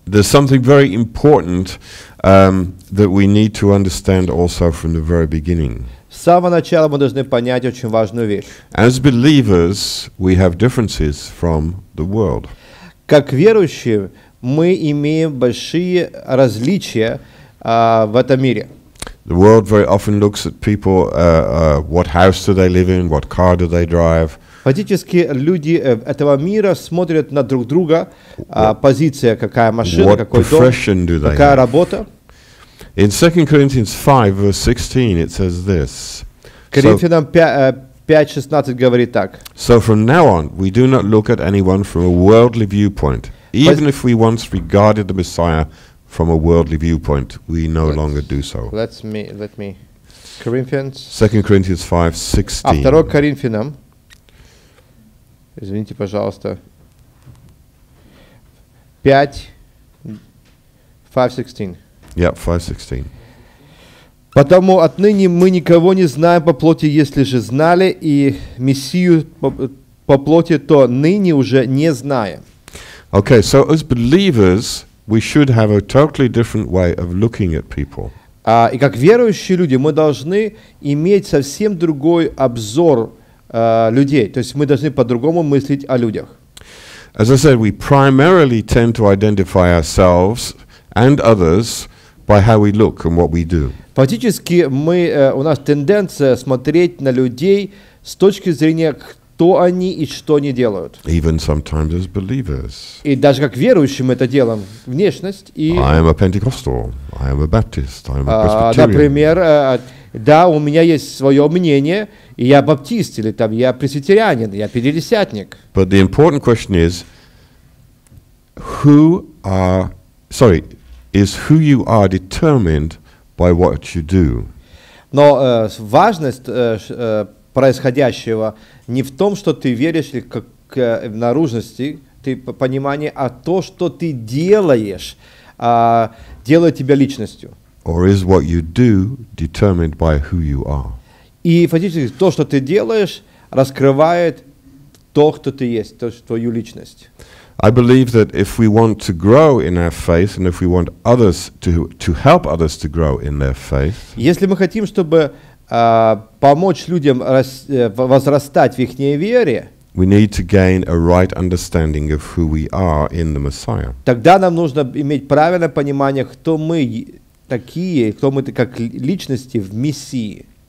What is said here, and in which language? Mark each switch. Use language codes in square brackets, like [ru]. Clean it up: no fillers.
[en] There's something very important that we need to understand also from the very beginning. [ru] С самого начала мы должны понять очень важную вещь. [en] As believers, we have differences from the world. [ru] Как верующие, мы имеем большие различия в этом мире. [en] The world very often looks at people, what house do they live in, what car do they drive. [ru] Фактически люди этого мира смотрят на друг друга, позиция, какая машина, [en] what [ru] какой дом, [en] profession do they [ru] какая [en] have. [ru] Работа. [en] In 2 Corinthians 5, verse 16, it says this. [ru] Коринфянам 5:16 говорит так. [en] So from now on, we do not look at anyone from a worldly viewpoint. Even if we once regarded the Messiah from a worldly viewpoint, we no longer do so. Let me. Corinthians. 2 Corinthians 5:16. [ru] А второй Коринфянам. Извините, пожалуйста. 5:16. [en] Yeah, 5:16. [ru] Потому отныне мы никого не знаем по плоти, если же знали и Мессию по плоти, то ныне уже не знаем. [en] Okay, so as believers, we should have a totally different way of looking at people. [ru] И как верующие люди, мы должны иметь совсем другой обзор людей. То есть мы должны по-другому мыслить о людях. [en] As I said, we primarily tend to identify ourselves and others by how we look and what we do. [ru] Фактически мы у нас тенденция смотреть на людей с точки зрения кто они и что они делают. [en] Even sometimes as believers. [ru] И даже как верующим это делаем. Внешность и... [en] I am a Pentecostal, I am a Baptist, I am a Presbyterian. [ru] Например, да, у меня есть свое мнение, и я баптист, или там я пресвитерианин, я пятидесятник. [en] But the important question is, who you are determined by what you do? [ru] Но важность происходящего не в том, что ты веришь ли как в наружности, ты понимание, а то, что ты делаешь, делает тебя личностью. [en] Or is what you do determined by who you are? [ru] И фактически то, что ты делаешь, раскрывает то, кто ты есть, то, твою личность. [en] I believe that if we want to grow in our faith and if we want others to help others to grow in their faith. [ru] Если мы хотим, чтобы помочь людям возрастать в их вере, [en] we need to gain a right understanding of who we are in the Messiah. [ru] Тогда нам нужно иметь правильное понимание, кто мы такие, кто мы как личности в Мессии.